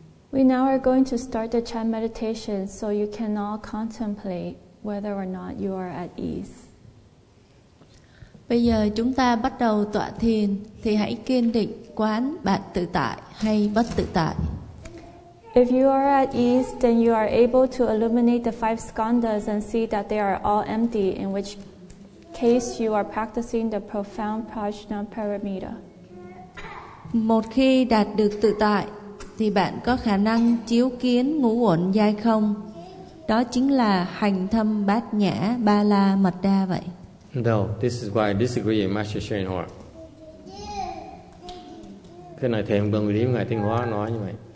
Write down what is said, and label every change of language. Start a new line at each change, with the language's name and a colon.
English: We now are going to start the chan meditation so you can all contemplate whether or not you are at ease.
Vietnamese: Bây giờ chúng ta bắt đầu tọa thiền thì hãy kiên định quán bạn tự tại hay bất tự tại.
English: If you are at ease, then you are able to illuminate the five skandhas and see that they are all empty, in which case you are practicing the profound Prajnaparamita.
Vietnamese: Một khi đạt được tự tại thì bạn có khả năng chiếu kiến ngũ uẩn giai không? Đó chính là hành thâm bát nhã ba la mật đa vậy.
English: No, this is why I disagree with Master Shen Hua.
Vietnamese: Cái này thêm đồng lý ngài Tinh Hoa nói như vậy.